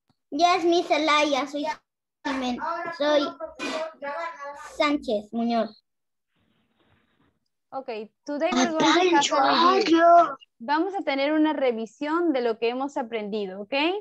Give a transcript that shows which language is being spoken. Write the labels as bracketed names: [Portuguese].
[Spanish] Ya es mi Celaya, soy Jiménez, soy Sánchez Muñoz. [English] Ok, today we're going to have a review. [Spanish] Vamos a tener una revisión de lo que hemos aprendido, ¿ok?